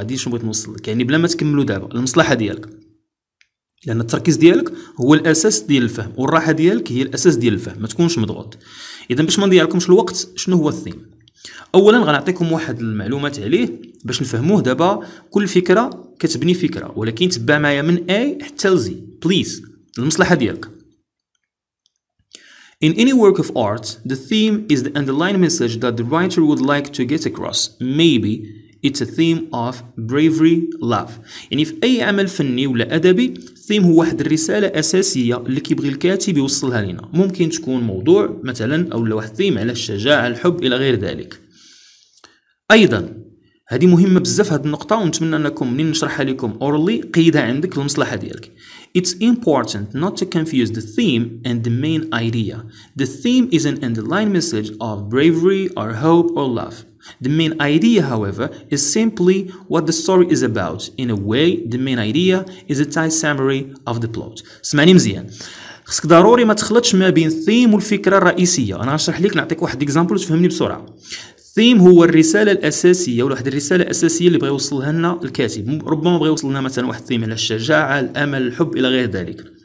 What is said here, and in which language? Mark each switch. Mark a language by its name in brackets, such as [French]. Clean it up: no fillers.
[Arabic] هذه شنو بغيت نوصل لك، يعني بلا ما تكملوا دابا المصلحه ديالك، لان التركيز ديالك هو الاساس ديال الفهم، والراحه ديالك هي الاساس ديال الفهم، ما تكونش مضغوط. اذا باش ما نضيع لكمش الوقت، شنو هو الثيم؟ اولا غنعطيكم واحد المعلومات عليه باش نفهموه. دابا كل فكره كتبني فكره، ولكن تبع معايا من اي حتى لزي بليز المصلحة ديالك. [English] In any work of art, the theme is the underlying message that the writer would like to get across. Maybe it's a theme of bravery, love. [Arabic] يعني في أي عمل فني ولا أدبي، theme هو واحد الرسالة أساسية اللي كيبغي الكاتب يوصلها لنا. ممكن تكون موضوع مثلا، أو واحد theme على الشجاعة، الحب، إلى غير ذلك. أيضا هذه مهمة بزاف هذه النقطة، ونتمنى أنكم منين نشرحها لكم أورلي قيدها عندك المصلحة ديالك. [English] It's important not to confuse the theme and the main idea. The theme is an underlying message of bravery or hope or love. The main idea, however, is simply what the story is about. In a way, the main idea is a tight summary of the plot. [Arabic] اسمعني مزيان، خصك ضروري ما تخلطش ما بين الثيم والفكرة الرئيسية. أنا غنشرح لك، نعطيك واحد إكزامبل وتفهمني بسرعة. الثيم هو الرسالة الأساسية، ولواحد الرسالة الأساسية اللي بغي يوصلها لنا الكاتب. ربما بغي يوصل لنا مثلا واحد الثيم على الشجاعة، الأمل، الحب، إلى غير ذلك.